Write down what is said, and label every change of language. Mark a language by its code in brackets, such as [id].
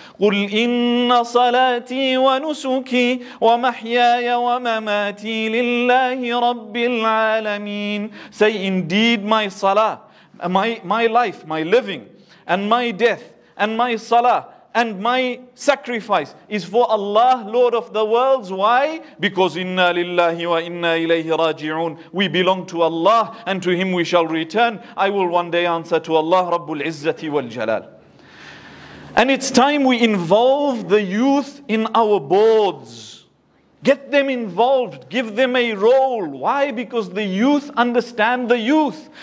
[ar] قُلْ إِنَّ صَلَاتِي وَنُسُكِي وَمَحْيَايَ وَمَمَاتِي لِلَّهِ رَبِّ الْعَالَمِينَ. [en] Say, indeed my salah, my life, my living and my death and my salah and my sacrifice is for Allah, Lord of the worlds. Why? [ar] Because إِنَّا لِلَّهِ وَإِنَّا إِلَيْهِ رَاجِعُونَ. [en] We belong to Allah and to Him we shall return. I will one day answer to Allah, رَبُّ الْعِزَّةِ وَالْجَلَالِ. And it's time we involve the youth in our boards. Get them involved. Give them a role. Why? Because the youth understand the youth.